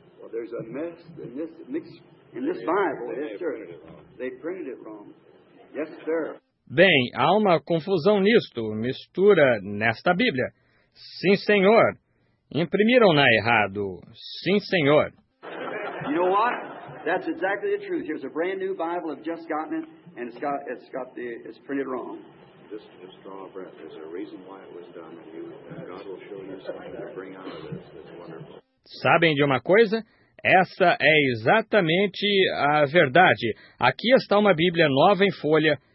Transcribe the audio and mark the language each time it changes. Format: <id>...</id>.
<en>There's a mess in this Bible, yes, sir. They printed it wrong. Yes, sir.</en> <pt>Bem, há uma confusão nisto, mistura nesta Bíblia. Sim, senhor. Imprimiram-na errado. Sim, senhor.</pt> <en>You know what? That's exactly the truth. Here's a brand new Bible. I've just gotten it, and it's printed wrong. Just draw a breath. There's a reason why it was done. And God will show you something to bring out of this. It's wonderful.</en> <pt>Sabem de uma coisa? Essa é exatamente a verdade. Aqui está uma Bíblia nova em folha.</pt>